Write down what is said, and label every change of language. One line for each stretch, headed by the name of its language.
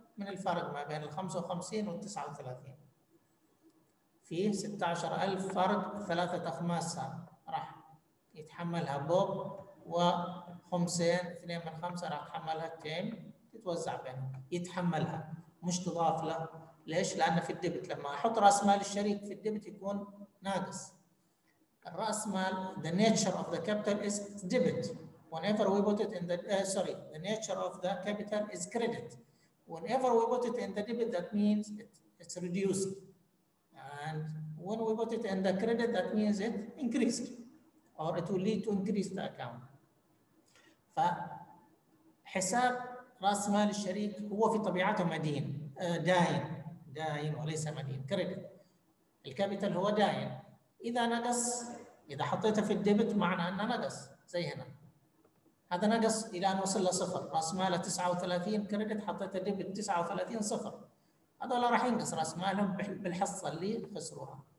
Arabic: من الفرق ما بين ال 55 وال 39. فيه 16,000 فرق ثلاثة أخماس سنة راح يتحملها بوب، وخمسين اثنين من خمسة راح يتحملها تيم، تتوزع بينهم، يتحملها مش تضاف له. ليش؟ لأن في الديبت لما أحط رأس مال الشريك في الديبت يكون ناقص.
English: الرأس مال the nature of the capital is debit. Whenever we put it in the the nature of the capital is credit. Whenever we put it in the debit, that means it's reduced. And when we put it in the credit, that means it increased, or it will lead to increase the account.
Arabic: فحساب رأس مال الشريك هو في طبيعته مدين، داين وليس مدين. كريدت الكابيتال هو داين، إذا نقص، إذا حطيته في الديبت معنى أنه نقص. زي هنا هذا نقص إلى أن وصل لصفر، رأس ماله 39 كريدت، حطيته ديبت 39 صفر، هذولا راح ينقص رأس مالهم بالحصة اللي خسروها.